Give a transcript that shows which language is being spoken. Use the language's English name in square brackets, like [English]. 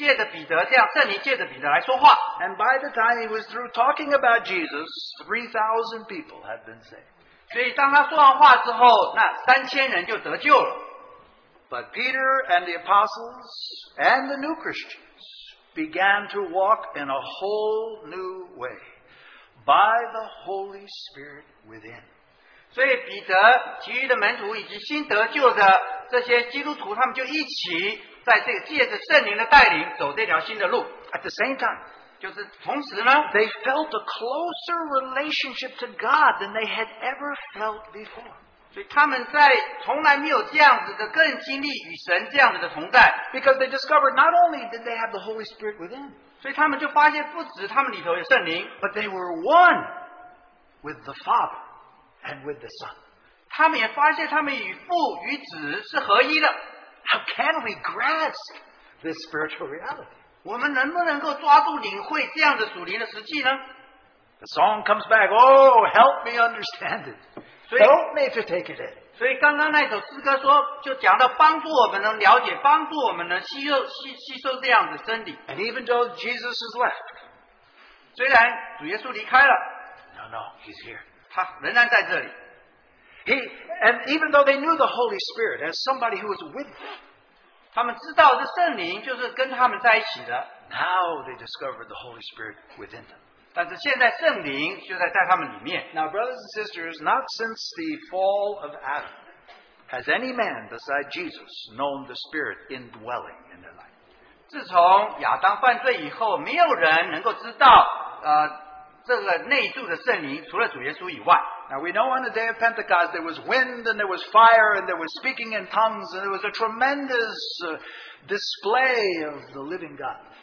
[Chinese] 所以当他们这样一起站起来的时候,圣灵就借着彼得这样,圣灵借着彼得来说话。 [English] And by the time he was through talking about Jesus, 3,000 people had been saved. [Chinese] 所以当他说完话之后,那3,000人就得救了。 [English] But Peter and the apostles and the new Christians began to walk in a whole new way by the Holy Spirit within. [Chinese] 所以彼得,其余的门徒以及新得救的这些基督徒,他们就一起在这个借着圣灵的带领走这条新的路。 [English] At the same time, [Chinese] 就是同时呢, [English] they felt a closer relationship to God than they had ever felt before. [Chinese] 所以他们在从来没有这样子的更经历与神这样子的同在。 [English] Because they discovered not only did they have the Holy Spirit within, [Chinese] 所以他们就发现不止他们里头有圣灵, [English] but they were one with the Father and with the Son. [Chinese] 他们也发现他们与父与子是合一的。 [English] How can we grasp this spiritual reality? [Chinese] 我们能不能够抓住领会这样的属灵的实际呢? [English] The song comes back, oh, help me understand it. [Chinese] 所以, [English] help me to take it in. [Chinese] 所以刚刚那首诗歌说,就讲到帮助我们能了解,帮助我们能吸收这样的真理。 [English] And even though Jesus is left, [Chinese] 虽然主耶稣离开了, [English] no, no, he's here. [Chinese] 他仍然在这里。 [English] And even though they knew the Holy Spirit as somebody who was with them, [Chinese] 他们知道这圣灵就是跟他们在一起的, [English] now they discovered the Holy Spirit within them. [Chinese] 但是现在圣灵就在他们里面。 [English] Now, brothers and sisters, not since the fall of Adam has any man beside Jesus known the Spirit indwelling in their life. [Chinese] 自从亚当犯罪以后,没有人能够知道, 这个内住的圣灵除了主耶稣以外。 [English] Now we know on the day of Pentecost there was wind and there was fire and there was speaking in tongues and there was a tremendous display of the living God.